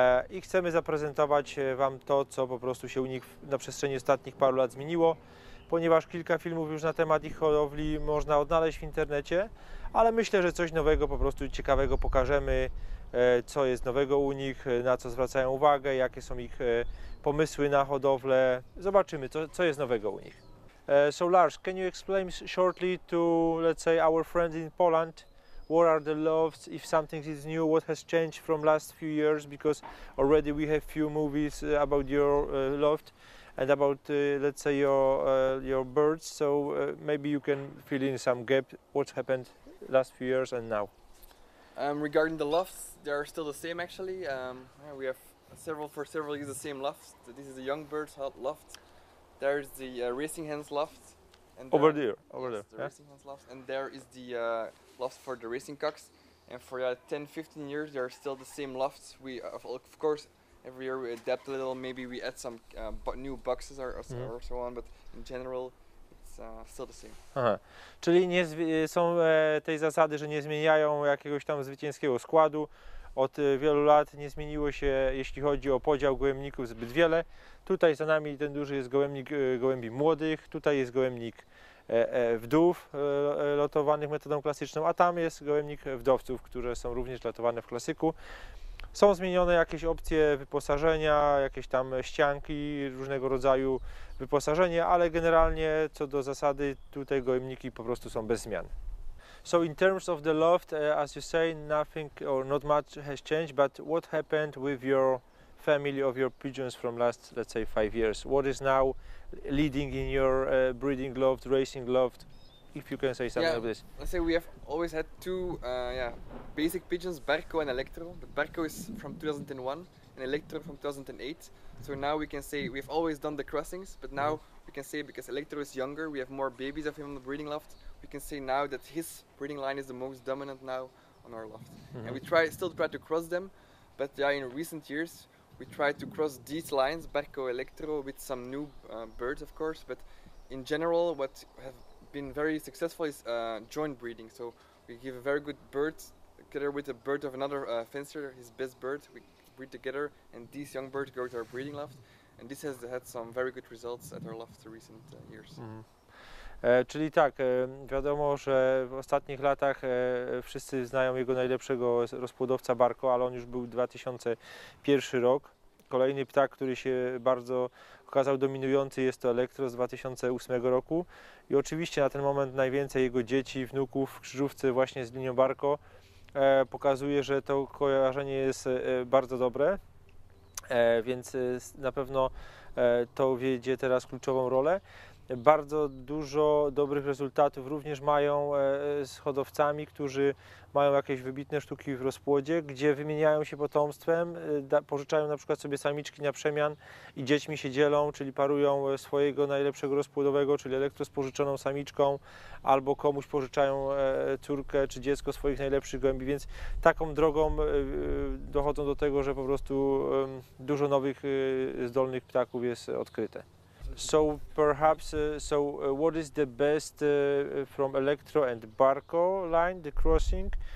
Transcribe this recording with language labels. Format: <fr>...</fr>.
<pl>I chcemy zaprezentować Wam to, co po prostu się u nich na przestrzeni ostatnich paru lat zmieniło, ponieważ kilka filmów już na temat ich hodowli można odnaleźć w internecie, ale myślę, że coś nowego, po prostu ciekawego pokażemy, co jest nowego u nich, na co zwracają uwagę, jakie są ich pomysły na hodowlę. Zobaczymy, co jest nowego u nich.</pl> <en>So Lars, can you explain shortly to, let's say, our friends in Poland, what are the laws, if something is new, what has changed from last few years, because already we have few movies about your loft and about, let's say, your birds, so maybe you can fill in some gap, what's happened last few years and now. Regarding the lofts, they are still the same, actually. We have several years the same lofts. This is a young bird's loft. There's the racing hens loft. And there, over there. The racing hens loft. And there is the loft for the racing cocks. And for 10-15 years, they are still the same lofts. We, of course, every year we adapt a little. Maybe we add some new boxes or so on. But in general, still the same. Aha.</en> <pl>Czyli nie są tej zasady, że nie zmieniają jakiegoś tam zwycięskiego składu. Od wielu lat nie zmieniło się, jeśli chodzi o podział gołębników, zbyt wiele. Tutaj za nami ten duży jest gołębnik gołębi młodych, tutaj jest gołębnik wdów lotowanych metodą klasyczną, a tam jest gołębnik wdowców, które są również lotowane w klasyku. Są zmienione jakieś opcje wyposażenia, jakieś tam ścianki, różnego rodzaju wyposażenie, ale generalnie co do zasady tutaj gołębniki po prostu są bez zmian.</pl> <en>So in terms of the loft, as you say, nothing or not much has changed, but what happened with your family of your pigeons from last, let's say, 5 years? What is now leading in your breeding loft, racing loft, if you can say something of this? Let's say we have always had two basic pigeons, Berko and Electro. But Berko is from 2001 and Electro from 2008. So now we can say we've always done the crossings, but now we can say because Electro is younger, we have more babies of him on the breeding loft. We can say now that his breeding line is the most dominant now on our loft. Mm-hmm. And we still try to cross them, but in recent years we tried to cross these lines, Berko, Electro, with some new birds, of course. But in general, what have been very successful is joint breeding. So we give a very good bird together with a bird of another fencer, his best bird. We breed together and these young birds go to our breeding loft. And this has had some very good results at our loft in recent years. Mm-hmm.</en> <pl>Czyli tak, wiadomo, że w ostatnich latach wszyscy znają jego najlepszego rozpłodowca Barko, ale on już był 2001 rok. Kolejny ptak, który się bardzo okazał dominujący, jest to Elektro z 2008 roku. I oczywiście na ten moment najwięcej jego dzieci, wnuków w krzyżówce właśnie z linią Barko pokazuje, że to kojarzenie jest bardzo dobre, więc na pewno to wiedzie teraz kluczową rolę. Bardzo dużo dobrych rezultatów również mają z hodowcami, którzy mają jakieś wybitne sztuki w rozpłodzie, gdzie wymieniają się potomstwem, pożyczają na przykład sobie samiczki na przemian i dziećmi się dzielą, czyli parują swojego najlepszego rozpłodowego, czyli Elektro z pożyczoną samiczką, albo komuś pożyczają córkę czy dziecko swoich najlepszych gołębi, więc taką drogą dochodzą do tego, że po prostu dużo nowych zdolnych ptaków jest odkryte.</pl> <en>So perhaps, what is the best from Electro and Barko line, the crossing?</en>